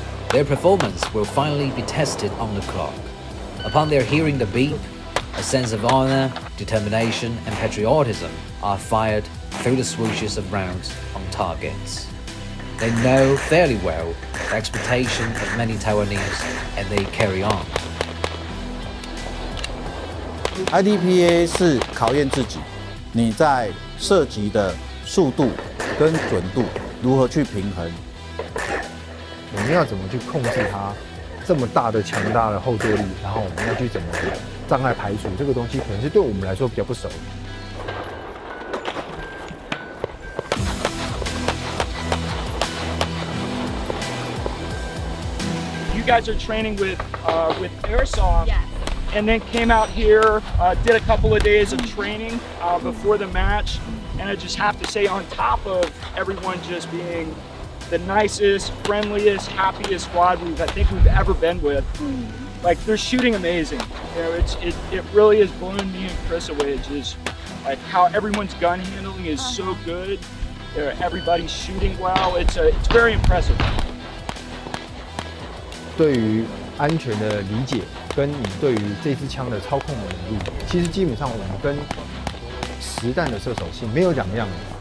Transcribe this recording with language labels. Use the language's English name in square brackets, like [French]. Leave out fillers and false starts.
[English] Their performance will finally be tested on the clock. Upon their hearing the beep, a sense of honor, determination, and patriotism are fired through the swooshes of rounds on targets. They know fairly well the expectation of many Taiwanese, and they carry on. [Chinese] IDPA 是考验自己，你在射击的速度跟准度如何去平衡？我们要怎么去控制它这么大的强大的后坐力？然后我们要去怎么障碍排除这个东西？可能是对我们来说比较不熟。 [English] You guys are training with Airsoft, yes. And then came out here, did a couple of days of training before the match, and I just have to say, on top of everyone just being the nicest, friendliest, happiest squad I think we've ever been with, like they're shooting amazing. You know, it really has blown me and Chris away. Just like how everyone's gun handling is so good, you know, everybody's shooting well. It's very impressive. [Chinese] 对于安全的理解跟你对于这支枪的操控的能力，其实基本上我们跟实弹的射手是没有两样的。